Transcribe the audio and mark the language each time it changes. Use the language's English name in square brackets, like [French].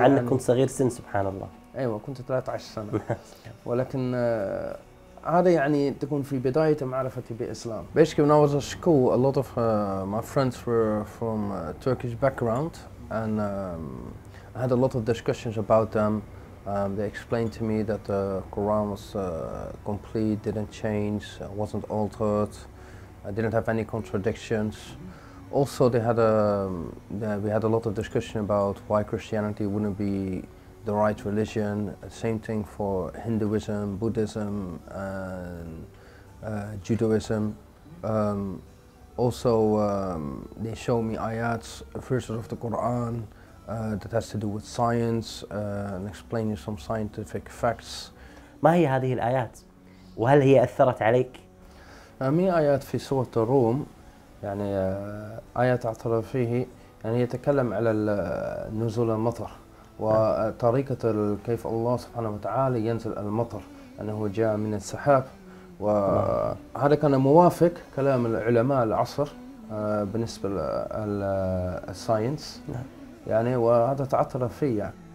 [Arabic] مع أنك كنت صغير سن سبحان الله. أيوة كنت 13 سنة ولكن هذا يعني تكون في بداية معرفتي بالإسلام. [English] Basically when I was at school a lot of my friends were from Turkish background and I had a lot of discussions about them. They explained to me that the Quran was complete, didn't change, wasn't altered, didn't have any contradictions. Also, they had we had a lot of discussion about why Christianity wouldn't be the right religion. Same thing for Hinduism, Buddhism, and Judaism. also they show me ayats, verses of the Quran that has to do with science and explain you some scientific facts. [Arabic] ما هي هذه الآيات؟ وهل هي أثرت عليك؟ مية آيات في سورة الروم يعني آيات أعترف فيه يعني يتكلم على نزول المطر وطريقة كيف الله سبحانه وتعالى ينزل المطر أنه جاء من السحاب وهذا كان موافق كلام العلماء العصر بالنسبة للساينس يعني وهذا تعترف فيه يعني.